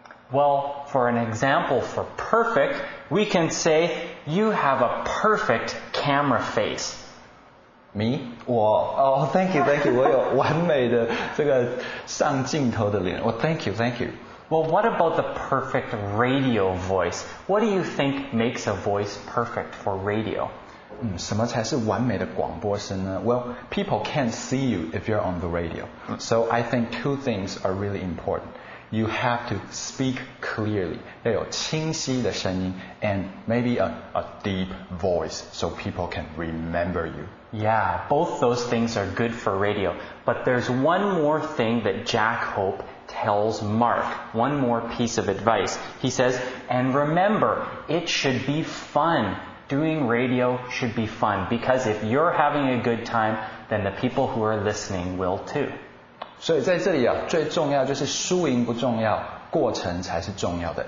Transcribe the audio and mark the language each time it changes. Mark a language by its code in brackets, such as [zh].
[en] Well, for an example for perfect, we can say you have a perfect camera face. Me? 我 Oh, thank you. [zh] 我有完美的这个上镜头的脸。 [en] Well, thank you. Well, what about the perfect radio voice? What do you think makes a voice perfect for radio? [zh] 什么才是完美的广播声呢？ [en] Well, people can't see you if you're on the radio. So I think two things are really important. You have to speak clearly, [zh] 要有清晰的声音 [en] and maybe a deep voice so people can remember you. Yeah, both those things are good for radio. But there's one more thing that Jack Hope tells Mark, one more piece of advice. He says, and remember, it should be fun. Doing radio should be fun because if you're having a good time, then the people who are listening will too. [zh] 所以在这里啊，最重要就是输赢不重要，过程才是重要的。